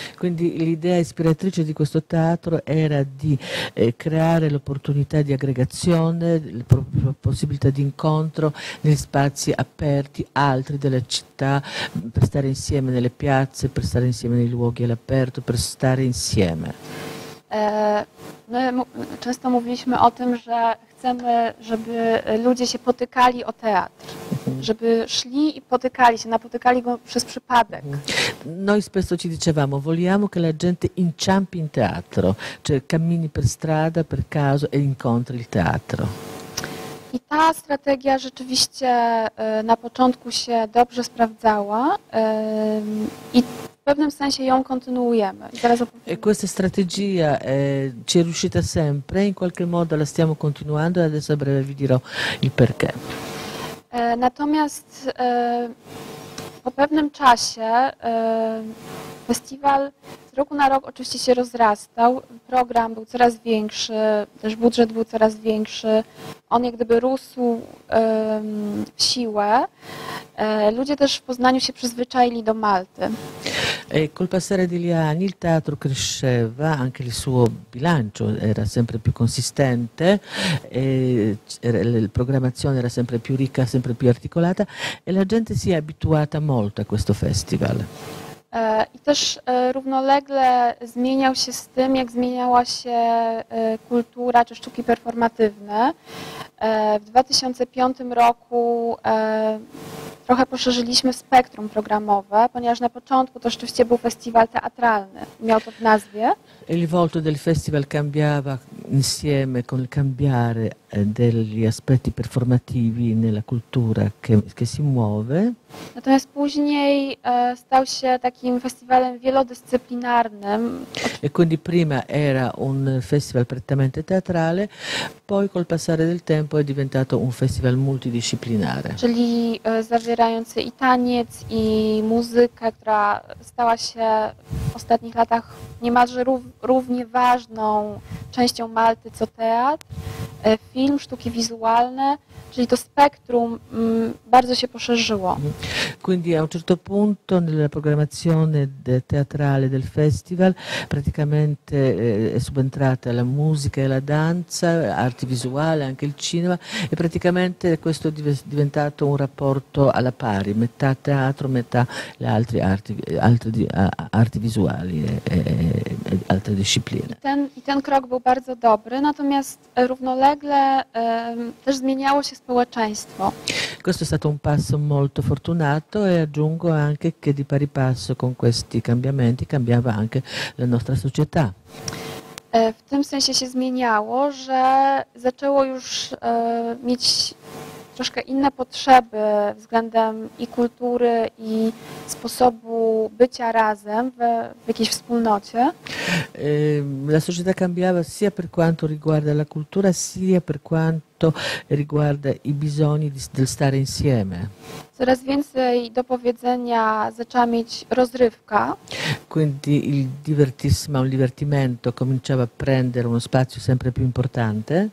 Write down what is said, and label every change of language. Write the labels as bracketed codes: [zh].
[it] Quindi l'idea ispiratrice di questo teatro era di creare l'opportunità di aggregazione, la possibilità di incontro negli spazi aperti, altri della città, per stare insieme nelle piazze, per stare insieme nei luoghi all'aperto, per stare insieme. [pl] My często mówiliśmy o tym, że chcemy, żeby ludzie się potykali o teatr. Żeby szli i potykali się, napotykali go przez przypadek. [it] Noi spesso ci dicevamo, vogliamo che la gente inciampi in teatro, cioè cammini per strada, per caso e incontri il teatro. [pl] I ta strategia rzeczywiście na początku się dobrze sprawdzała i w pewnym sensie ją kontynuujemy. I zaraz opowiem. [it] E questa strategia ci è riuscita sempre, in qualche modo la stiamo continuando e adesso a breve vi dirò il perché. [pl] Natomiast po pewnym czasie festiwal z roku na rok oczywiście się rozrastał, program był coraz większy, też budżet był coraz większy, on jak gdyby rósł w siłę, ludzie też w Poznaniu się przyzwyczaili do Malty. [it] E col passare degli anni il teatro cresceva, anche il suo bilancio era sempre più consistente, e la programmazione era sempre più ricca, sempre più articolata e la gente si è abituata molto a questo festival. [pl] I też równolegle zmieniał się z tym, jak zmieniała się kultura czy sztuki performatywne. W 2005 roku trochę poszerzyliśmy spektrum programowe, ponieważ na początku to rzeczywiście był festiwal teatralny, miał to w nazwie. [it] Il volto del festival cambiava insieme con il cambiare degli aspetti performativi nella cultura che si muove. [pl] Natomiast później stał się takim festiwalem wielodyscyplinarnym. [it] E quindi prima era un festival prettamente teatrale, poi col passare del tempo è diventato un festival multidisciplinare. [pl] Czyli zawierający i taniec, i muzykę, która stała się w ostatnich latach niemalże równie ważną częścią Malty co teatr, film, sztuki wizualne, czyli to spektrum bardzo się poszerzyło. [it] Quindi a un certo punto nella programmazione teatrale del festival praticamente è subentrata la musica e la danza, arti visuali, anche il cinema e praticamente questo è diventato un rapporto alla pari, metà teatro, metà le altre arti visuali e altre discipline. [pl] I ten krok był bardzo dobry, natomiast równolegle też zmieniało się społeczeństwo. [it] Questo è stato un passo molto fortunato e aggiungo anche che di pari passo con questi cambiamenti cambiava anche la nostra società. [pl] W tym sensie się zmieniało, że zaczęło już mieć troszkę inne potrzeby względem i kultury i sposobu bycia razem w jakiejś wspólnocie. [it] La società cambiava sia per quanto riguarda la cultura, sia per quanto riguarda i bisogni del stare insieme. [pl] Coraz więcej do powiedzenia zaczęła mieć rozrywka. [it] Quindi il divertissement, il divertimento cominciava a prendere uno spazio sempre più importante.